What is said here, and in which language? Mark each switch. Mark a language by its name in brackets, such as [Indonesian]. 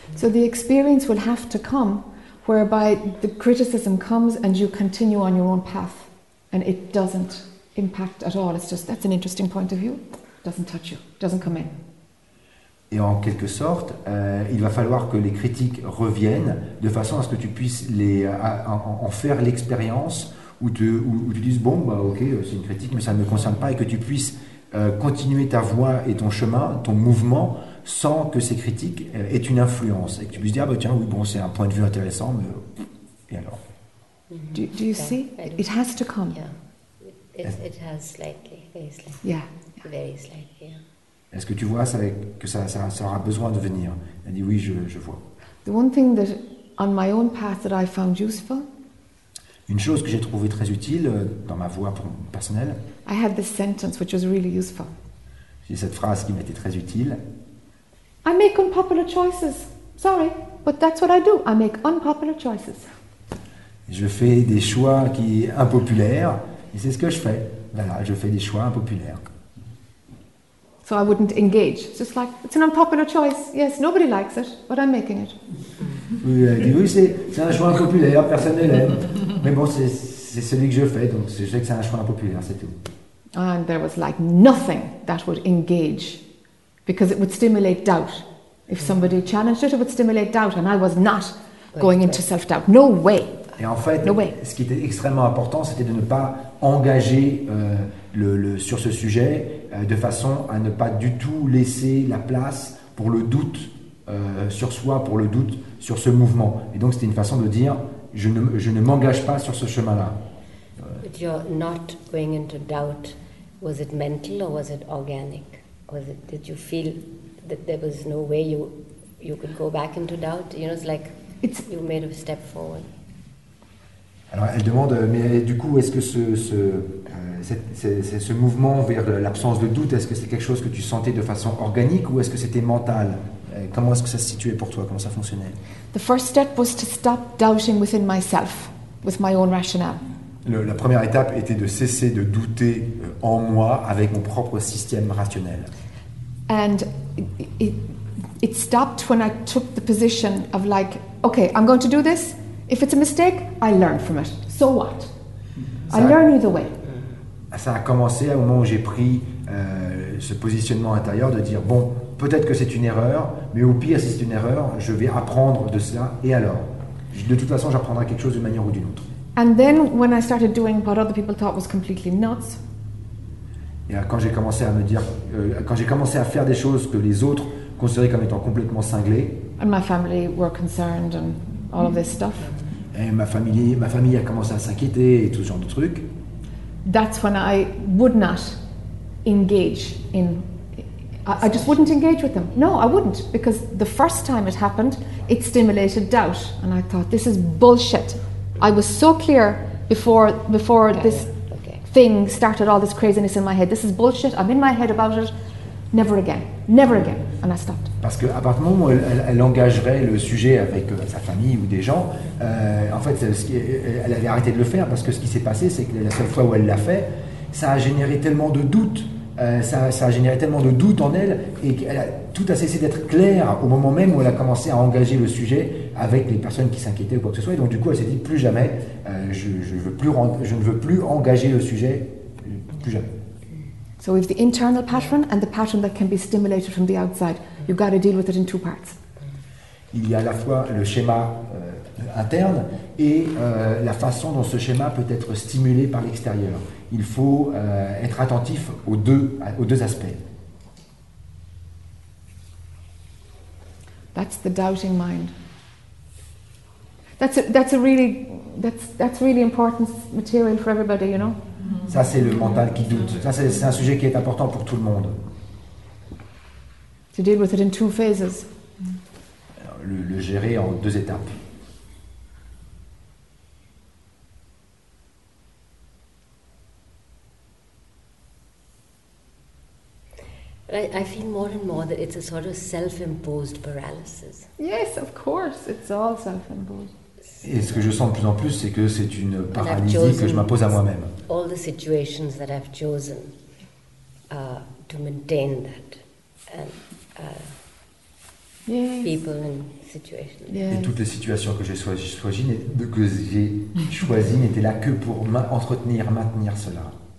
[English] So the experience will have to come whereby the criticism comes and you continue on your own path and it doesn't impact at all. It's just, that's an interesting point of view. Doesn't touch you. Doesn't come in. [French] Et en quelque sorte, il va falloir que les critiques reviennent de façon à ce que tu puisses en faire l'expérience où tu dises, bon, bah, ok, c'est une critique, mais ça ne me concerne pas, et que tu puisses continuer ta voie et ton chemin, ton mouvement, sans que ces critiques aient une influence. Et que tu puisses dire, ah, bah, tiens, oui, bon, c'est un point de vue intéressant, mais et alors? [English] Do you see? It has to come. Yeah. It has slightly, very slightly. Yeah. Very slightly, yeah. [French] Est-ce que tu vois que ça aura besoin de venir? Elle dit oui, je vois. [English] The one thing that on my own path that I found useful. [French] Une chose que j'ai trouvé très utile dans ma voie personnelle. [English] I had this sentence which was really useful. [French] J'ai cette phrase qui m'était très utile. [English] I make unpopular choices. Sorry, but that's what I do. I make unpopular choices. [French] Je fais des choix qui sont impopulaires. Et c'est ce que je fais. Voilà, je fais des choix impopulaires. [English] So I wouldn't engage. It's just like, it's an unpopular choice. Yes, nobody likes it, but I'm making it. [French] Oui, elle dit, oui, c'est un choix impopulaire, personne ne l'aime. Mais bon, c'est celui que je fais, donc je sais que c'est un choix impopulaire, c'est tout. [English] And there was like nothing that would engage, because it would stimulate doubt. If somebody challenged it, it would stimulate doubt, and I was not going into self-doubt. No way. [French] Et en fait, ce qui était extrêmement important, c'était de ne pas engager sur ce sujet de façon à ne pas du tout laisser la place pour le doute sur soi, pour le doute sur ce mouvement. Et donc, c'était une façon de dire, je ne m'engage pas sur ce chemin-là. [English] But you're not going into doubt. Was it mental or was it organic? Was it, did you feel that there was no way you could go back into doubt? You know, it's like you made a step forward. [French] Alors elle demande, mais du coup, est-ce que ce mouvement vers l'absence de doute, est-ce que c'est quelque chose que tu sentais de façon organique ou est-ce que c'était mental? Comment est-ce que ça se situait pour toi? Comment ça fonctionnait? [English] The first step was to stop doubting within myself, with my own rationale. [French] La première étape était de cesser de douter en moi avec mon propre système rationnel. [English] And it stopped when I took the position of like, okay, I'm going to do this. If it's a mistake, I learn from it. So what? I learn either way. [French] Ça a commencé au moment où j'ai pris ce positionnement intérieur de dire, bon, peut-être que c'est une erreur, mais au pire, si c'est une erreur, je vais apprendre de cela, et alors? De toute façon, j'apprendrai quelque chose d'une manière ou d'une autre. [English] And then, when I started doing what other people thought was completely nuts, [French] et quand j'ai commencé à me dire, quand j'ai commencé à faire des choses que les autres considéraient comme étant complètement cinglées, [English] and my family were concerned, and all of this stuff. [French] Et ma famille a commencé à s'inquiéter et tout ce genre de trucs. [English] That's when I would not engage in. I just wouldn't engage with them. No, I wouldn't, because the first time it happened, it stimulated doubt, and I thought this is bullshit. I was so clear before this thing started all this craziness in my head. This is bullshit. I'm in my head about it. Never again. Never again. And I stopped. [French] Parce qu'à partir du moment où elle engagerait le sujet avec sa famille ou des gens, en fait, elle avait arrêté de le faire, parce que ce qui s'est passé, c'est que la seule fois où elle l'a fait, ça a généré tellement de doutes ça a généré tellement de doutes en elle, et qu'elle a tout a cessé d'être claire au moment même où elle a commencé à engager le sujet avec les personnes qui s'inquiétaient ou quoi que ce soit. Et donc du coup, elle s'est dit plus jamais, je ne veux plus engager le sujet, plus jamais. [English] So with the internal pattern and the pattern that can be stimulated from the outside, you've got to deal with it in two parts. [French] Il y a à la fois le schéma interne et la façon dont ce schéma peut être stimulé par l'extérieur. Il faut être attentif aux deux aspects. [English] That's the doubting mind. That's really important material for everybody, you know. [French] Ça c'est le mental qui doute. Ça c'est un sujet qui est important pour tout le monde. [English] To deal with it in two phases. [French] Le gérer en deux étapes. [English] I feel more and more that it's a sort of self-imposed paralysis. Yes, of course, it's all self-imposed. [French] Et ce que je sens de plus en plus, c'est que c'est une paralysie que je m'impose à moi-même. [English] All the situations that I've chosen to maintain that. [French] Et toutes les situations que j'ai choisi n'étaient là que pour maintenir cela.